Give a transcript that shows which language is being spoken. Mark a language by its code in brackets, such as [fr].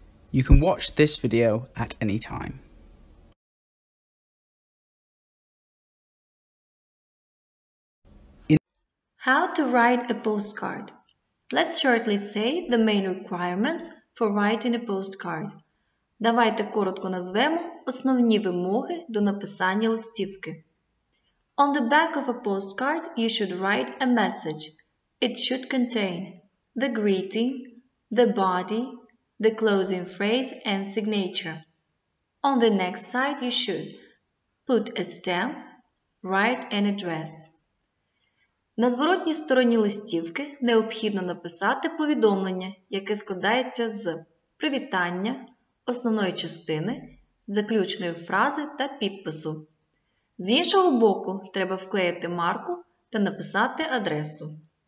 [en] You can watch this video at any time. How to write a postcard? Let's shortly say the main requirements for writing a postcard. [uk] Давайте коротко назвемо основні вимоги до написання листівки. [en] On the back of a postcard, you should write a message. It should contain the greeting, the body, the closing phrase and signature. On the next side, you should put a stamp, write an address. [uk] На зворотній стороні листівки необхідно написати повідомлення, яке складається з привітання, основної частини, заключної фрази та підпису. З іншого боку, треба вклеїти марку та написати адресу.